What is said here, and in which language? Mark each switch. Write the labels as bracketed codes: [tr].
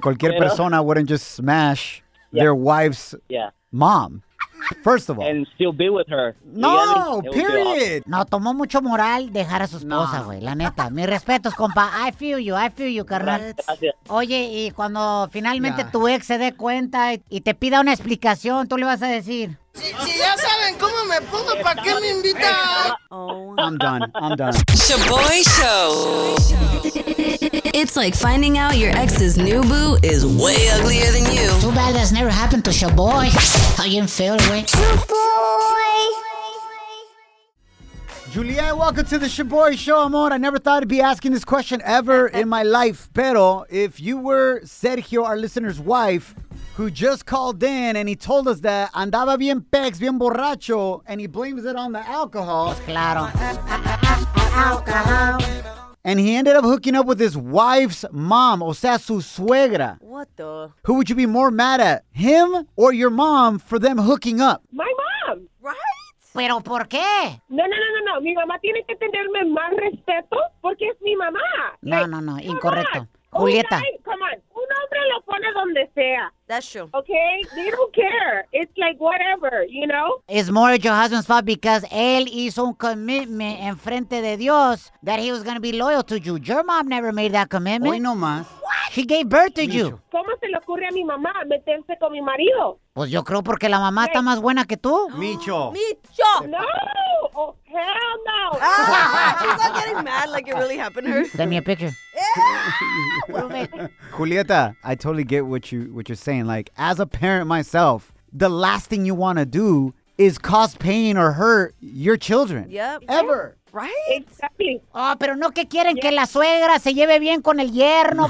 [es] Cualquier persona [en] wouldn't just smash their wife's mom. First of all. And still be with her. No, period. [es] No, tomó mucho moral dejar a su esposa, güey. La neta. Mis respetos, compa. [en] I feel you, [es] carnal. Oye, y cuando finalmente tu ex se dé cuenta y te pida una explicación, ¿tú le vas a decir? Si ya saben cómo me pongo, ¿para qué me invitan? [en] I'm done. Shaboy Show. It's like finding out your ex's new boo is way uglier than you. Too bad that's never happened to Shaboy. How you feel, boy? Shaboy. Juliet, welcome to the Shaboy Show, amor. I never thought I'd be asking this question ever in my life. Pero if you were Sergio, our listener's wife, who just called in and he told us that [es] andaba bien pex, bien borracho, [en] and he blames it on the alcohol. [es] Pues claro. [en] Alcohol. And he ended up hooking up with his wife's mom, [es] o sea, su suegra. [en] What the? Who would you be more mad at, him or your mom, for them hooking up? My mom! Right? [es] Pero ¿por qué? No. Mi mamá tiene que tenerme más respeto porque es mi mamá. No, incorrecto. Mamá. Julieta. [en] Guy, come on. [es] Un hombre lo pone donde sea. [en] That's true. Okay? They don't care. It's like whatever, you know? It's more your husband's fault because [es] él hizo un [en] commitment [es] en frente de Dios [en] that he was going to be loyal to you. Your mom never made that commitment. [es] Hoy no más. [en] What? She gave birth to you. [es] ¿Cómo se le ocurre a mi mamá meterse con mi marido? Pues yo creo porque la mamá está más buena que tú. Micho. Micho. [en] No. Oh, hell no. She's not getting mad like it really happened to her. Send me a picture. Julieta, I totally get what you're saying. Like, as a parent myself, the last thing you want to do is cause pain or hurt your children. Yep. Ever. Right? Exactly. [es] Oh, pero no que quieren que la suegra se lleve bien con el yerno.